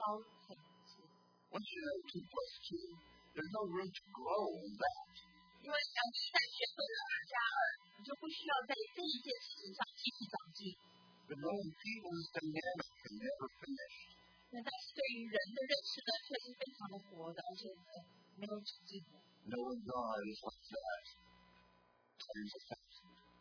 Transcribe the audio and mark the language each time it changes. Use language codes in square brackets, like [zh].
[en] Once you know 2 plus 2, there's no room to grow in that. But knowing people is dynamic and never finished. [zh] 但是对于人的认识呢，却是非常的活的，而且没有止境的。 [en] Knowing God is like that times a thousand.